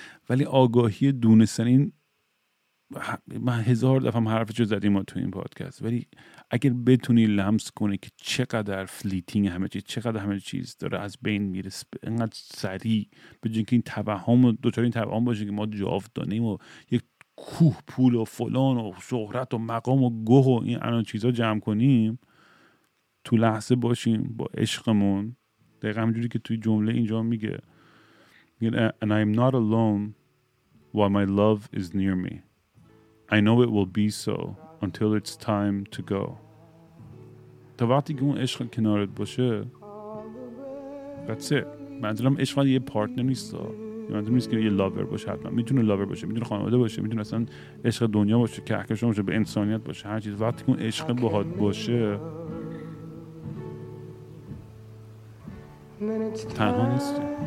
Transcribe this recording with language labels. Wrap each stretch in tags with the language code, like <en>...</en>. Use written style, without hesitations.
<fa>ولی آگاهی دونستن این، من هزار دفعه هم حرفشو زدیم ما تو این پادکست، ولی اگر بتونی لمس کنی که چقدر فلیتینگ همه چیز، چقدر همه چیز داره از بین میره، انقدر سریع به جنگ این توهم و دوچار این توهم باشه که ما جاودانیم و یک کوه پول و فلان و شهرت و مقام و گوه و این الان چیزا جمع کنیم، تو لحظه باشیم با عشقمون، دقیقا همجوری که توی جمله اینجا میگه</fa> <en>And I am not alone while my love is near me. I know it will be so until it's time to go.</en> <fa>تا وقتی که اون عشق کنارت باشه</fa> <en>That's it.</en> <fa>منظورم عشق یه پارتنر نیست دار، منظورم نیست که یه لاور باشه، حتما میتونه لاور باشه، میتونه خانواده باشه، میتونه اصلا عشق دنیا باشه، کهکشان باشه، به انسانیت باشه، هر چیز. وقتی که اون عشق باهات باشه تنها نیستی.</fa>